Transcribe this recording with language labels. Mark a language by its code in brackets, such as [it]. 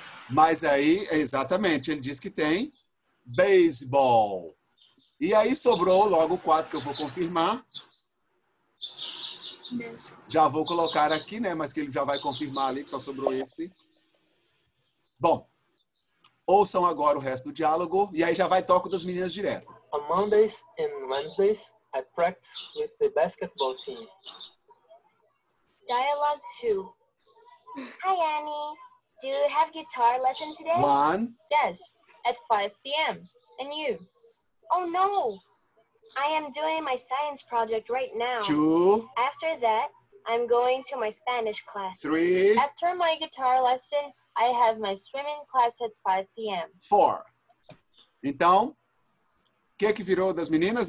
[pt] Mas aí, exatamente, ele disse que tem baseball. E aí sobrou logo o 4 que eu vou confirmar. Já vou colocar aqui, né? Mas que ele já vai confirmar ali, que só sobrou esse. Bom, ouçam agora o resto do diálogo e aí já vai toco das meninas direto. [en] On Mondays and Wednesdays, I practice with the basketball team. Dialogue 2. Hi, Annie. Do you have guitar lesson today? One. Yes, at 5 p.m. And you? Oh, no. I am doing my science project right now. Two. After that, I'm going to my Spanish class. Three. After my guitar lesson, I have my swimming class at 5 p.m. Four. [pt] Então, que virou das meninas?